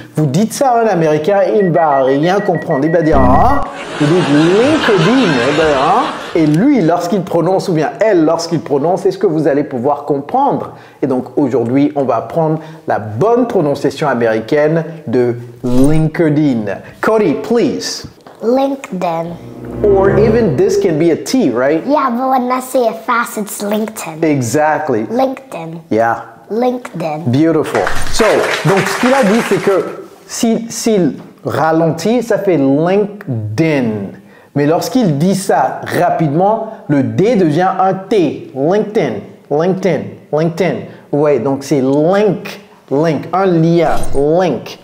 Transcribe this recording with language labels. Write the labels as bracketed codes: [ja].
[fr] Vous dites ça à un Américain, il ne va rien comprendre. Il va dire, hein? Vous dites LinkedIn. Eh ben, hein? Et lui, lorsqu'il prononce, ou bien elle, lorsqu'il prononce, est-ce que vous allez pouvoir comprendre? Et donc, aujourd'hui, on va apprendre la bonne prononciation américaine de LinkedIn. [en] Cody, please. LinkedIn. Or even this can be a T, right? Yeah, but when I say it fast, it's LinkedIn. Exactly. LinkedIn. Yeah. LinkedIn. Beautiful. [fr] So, donc ce qu'il a dit, c'est que s'il ralentit, ça fait LinkedIn. Mais lorsqu'il dit ça rapidement, le D devient un T. LinkedIn. LinkedIn. LinkedIn. Ouais, donc c'est link. Link. Un lien. Link.